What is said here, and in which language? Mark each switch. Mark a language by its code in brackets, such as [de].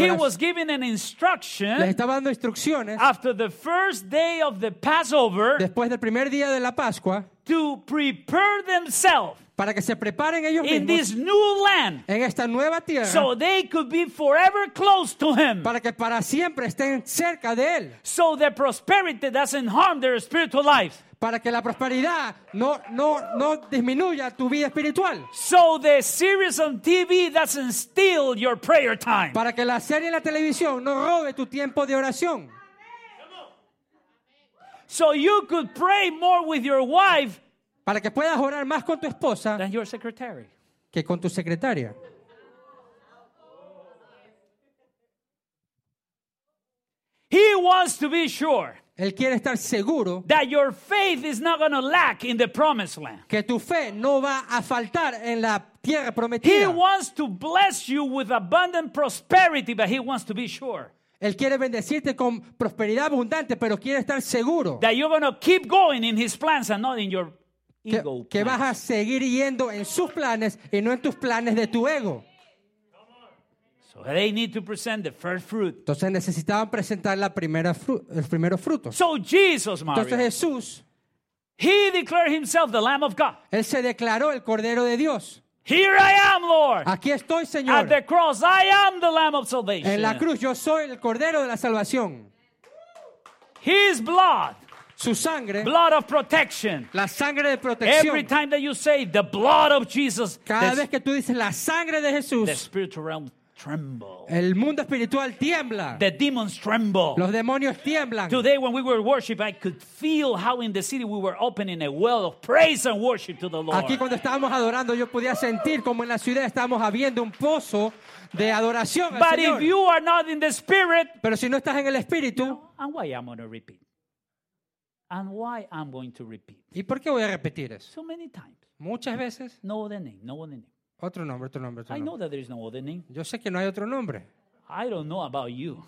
[en] he was giving an instruction [es] les estaba dando instrucciones [en] after the first day of the Passover [es] después del primer día de la Pascua [en] to prepare themselves [es] para que se preparen ellos mismos [en] in this new land, [es] en esta nueva tierra [en] so they could be forever close to him, [es] para que para siempre estén cerca de él [en] so the prosperity doesn't harm their spiritual lives. [es] Para que la prosperidad no disminuya tu vida espiritual. [en] So the series on TV doesn't steal your prayer time. [es] Para que la serie en la televisión no robe tu tiempo de oración. [en] So you could pray more with your wife. [es] Para que puedas orar más con tu esposa. [en] Than your secretary. [es] Que con tu secretaria. [en] He wants to be sure. [es] Él quiere estar seguro [en] that your faith is not going to lack in the promised land. [es] Que tu fe no va a faltar en la tierra prometida. [en] He wants to bless you with abundant prosperity, but he wants to be sure. [es] Él quiere bendecirte con prosperidad abundante, pero quiere estar seguro [en] that you're going to keep going in his plans and not in your ego. [es] Que vas a seguir yendo en sus planes y no en tus planes de tu ego. [en] So they need to present the first fruit. [es] Entonces necesitaban presentar la primera el primero fruto. [en] So Jesus, Mario, [es] entonces Jesús, [en] he declared himself the Lamb of God. [es] Él se declaró el Cordero de Dios. [en] Here I am, Lord. [es] Aquí estoy, Señor. [en] At the cross, I am the Lamb of salvation. [es] En la cruz, yo soy el Cordero de la salvación. [en] His blood, [es] su sangre, [en] blood of protection. [es] La sangre de protección. [en] Every time that you say the blood of Jesus, [es] cada vez que tú dices la sangre de Jesús, [en] the spiritual realm tremble. [es] El mundo espiritual tiembla. [en] The demons tremble. [es] Los demonios tiemblan. [en] Today when we were worshiping, I could feel how in the city we were opening a well of praise and worship to the Lord. [es] Aquí cuando estábamos adorando, yo podía sentir como en la ciudad estábamos abriendo un pozo de adoración al [en] But [es] Señor. [en] If you are not in the spirit, [es] pero si no estás en el espíritu, [en] you know, and why I'm going to repeat? And why I'm going to repeat? [es] ¿Y por qué voy a repetir eso? [en] So many times. [es] Muchas veces. [en] No other name. No other name. [es] Otro nombre, otro nombre, otro nombre. [en] I know that there is no other name. [es] Yo sé que no hay otro nombre. [en] I don't know about you.